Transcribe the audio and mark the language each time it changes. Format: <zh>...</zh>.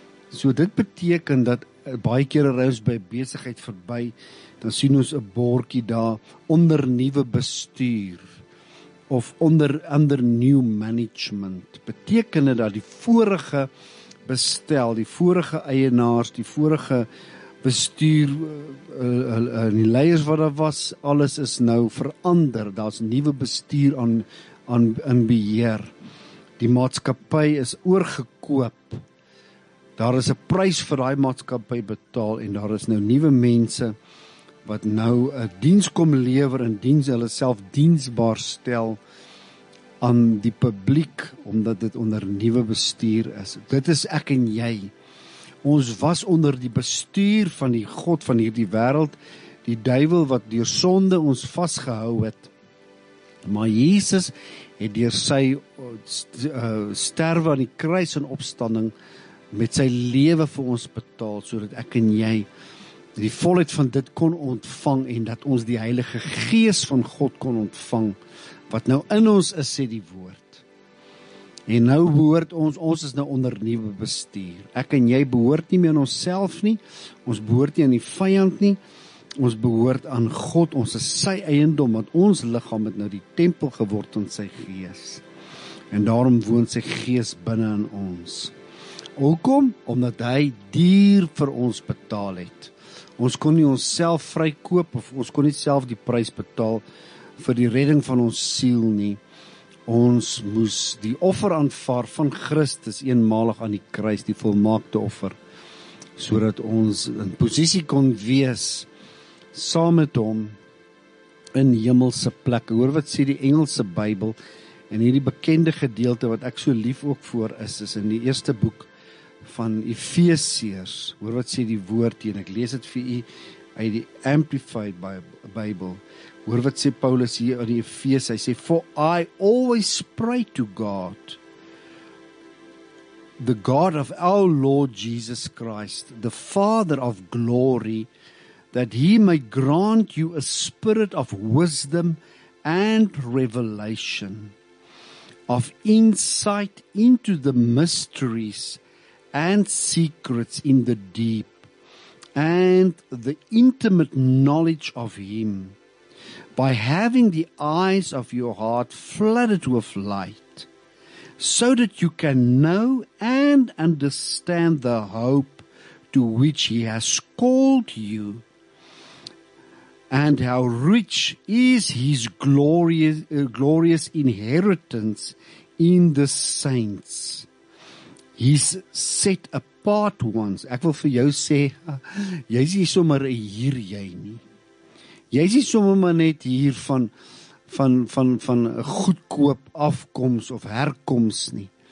<af>So dit beteken dat baie keer ons by besigheid verby, dan sien ons 'n bordjie daar onder nuwe bestuur of onder</af> <en>new management.</en> <af>Beteken dit dat die vorige bestel, die vorige eienaars, die vorige bestuur, die leiers wat daar was, alles is nou verander. Daar's nuwe bestuur aan in beheer. Die maatskappy is oorgekoop. Daar is 'n prys vir daai maatskappy betaal en daar is nou nuwe mense wat nou 'n diens kom lewer en diens hulle self diensbaar stel aan die publiek omdat dit onder nuwe bestuur is. Dit is ek en jy. Ons was onder die bestuur van die God van hierdie wêreld, die duiwel wat deur sonde ons vasgehou het. Maar Jesus het deur sy sterwe aan die kruis en opstanding met sy lewe vir ons betaal, sodat ek en jy die volheid van dit kon ontvang en dat ons die Heilige Gees van God kon ontvang, wat nou in ons is, sê die woord. En nou behoort ons is nou onder nuwe bestuur. Ek en jy behoort nie meer aan onsself nie. Ons behoort nie aan die vyand nie. Ons behoort aan God. Ons is sy eiendom, want ons liggaam het nou die tempel geword van sy gees. En daarom woon sy gees binne in ons. Hoekom? Omdat hy duur vir ons betaal het. Ons kon nie onsself vrykoop of ons kon nie self die prys betaal vir die redding van ons siel nie. Ons moes die offer aanvaar van Christus eenmalig aan die kruis, die volmaakte offer, sodat ons in posisie kon wees saam met hom in hemelse plekke. Hoor wat sê die Engelse Bybel en hierdie bekende gedeelte wat ek so lief ook voor is in die eerste boek van Efesiërs. Hoor wat sê die woord hier en ek lees dit vir u uit die Amplified Bybel.</af> <en>Hoor wat sê Paulus hier in Efese, hy sê, "For I always pray to God, the God of our Lord Jesus Christ, the Father of glory, that he may grant you a spirit of wisdom and revelation, of insight into the mysteries and secrets in the deep, and the intimate knowledge of him, by having the eyes of your heart flooded with light, so that you can know and understand the hope to which he has called you, and how rich is his glorious inheritance in the saints. He's set apart ones.</en> <af>Ek wil vir jou sê, jy's nie sommer hier jy nie. Jy's nie sommer maar net hier van 'n goedkoop afkoms of herkoms nie.</af>